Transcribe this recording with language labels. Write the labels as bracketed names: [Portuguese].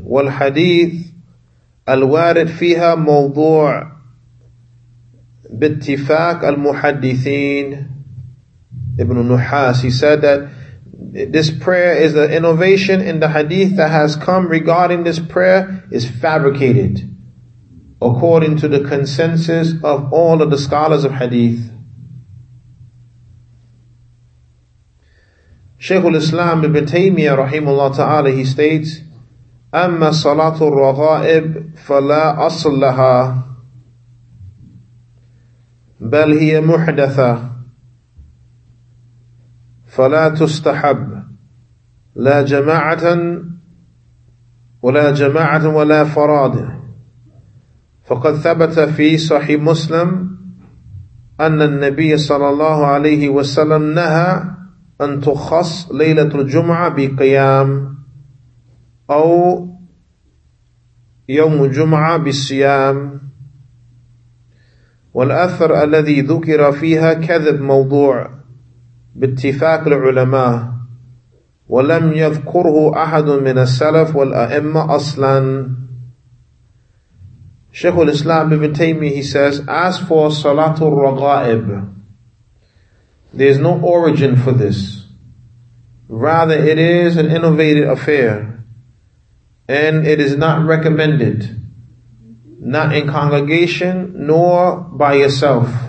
[Arabic] وَالْحَدِيثِ الوارد فيها موضوع باتفاق المحدثين ابن نحاس. [English] He said that this prayer is an innovation in the hadith that has come regarding this prayer is fabricated according to the consensus of all of the scholars of hadith. [Arabic] Shaykh al-Islam ibn Taymiyyah rahimahullah ta'ala, [English] he states, [Arabic] أما صلاة الرغائب فلا أصل لها بل هي محدثة فلا تستحب لا جماعة ولا جماعة ولا فراد فقد ثبت في صحيح مسلم أن النبي صلى الله عليه وسلم نهى أن تخص ليلة الجمعة بقيام أو يوم جمعة بالصيام والأثر الذي ذكر فيها كذب موضوع باتفاق العلماء ولم يذكره أحد من السلف والأئمة أصلا. [English] Shaykh al-Islam ibn Taymiyyah, he says, as for Salatul Raga'ib, there is no origin for this. Rather, it is an innovative affair. And it is not recommended, not in congregation, nor by yourself.